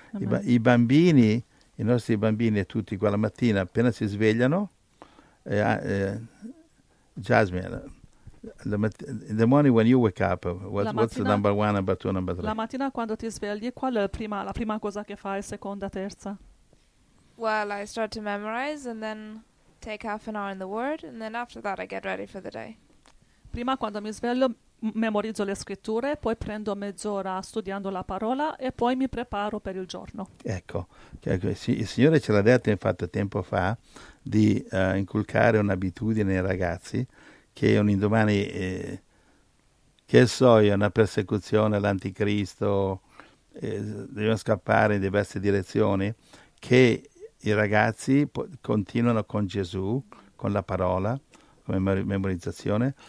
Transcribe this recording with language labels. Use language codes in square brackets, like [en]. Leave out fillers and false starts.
[it] I bambini, i nostri bambini, tutti qua la mattina, appena si svegliano, [en] Jasmine, the morning when you wake up, what's the number one, number two, number three? [it] La mattina quando ti svegli, qual è la prima cosa che fai, seconda, terza? [en] Well, I start to memorize and then take half an hour in the Word and then after that I get ready for the day. [it] Prima quando mi sveglio memorizzo le scritture, poi prendo mezz'ora studiando la parola e poi mi preparo per il giorno. Ecco, il Signore ce l'ha detto infatti tempo fa di inculcare un'abitudine ai ragazzi, che un indomani, che so io, una persecuzione, l'anticristo, devono scappare in diverse direzioni, che i ragazzi continuano con Gesù, con la parola, come memorizzazione.